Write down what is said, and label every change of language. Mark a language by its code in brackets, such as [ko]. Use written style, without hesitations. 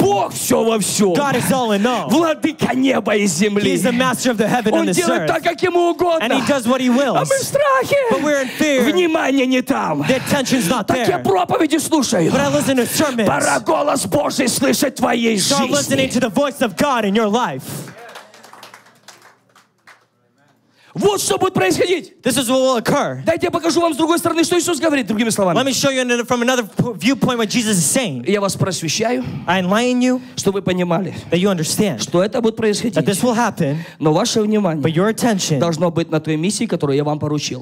[ru] Бог все во всем. [en] God is all in all. [ru] Владыка неба и земли. [en] He is the master of the heaven [ru] он [en] and the earth. [ru] Он делает так, как ему угодно. [en] And he does what he wills. [ru] А мы в страхе. [en] But we're in fear. [ru] Внимание не там. [en] The attention's not [ru] так [en] there. [ru] Так я проповеди слушаю. [en] But I listen to sermons. [ru] Пора голос Божий слышать твоей [en] Start Start listening to the voice of God in your life. [ru] Вот что будет происходить. [en] This is what will occur. [ru] Дайте я покажу вам с другой стороны, что Иисус говорит, другими словами. [en] Let me show you from another viewpoint what Jesus is saying. [ru] Я вас просвещаю. [en] I enlighten you. [ru] Чтобы вы понимали. [en] That you understand. [ru] Что это будет происходить. [en] That this will happen. [ru] Но ваше внимание. [en] But your attention. [ru] Должно быть на той миссии, которую я вам поручил.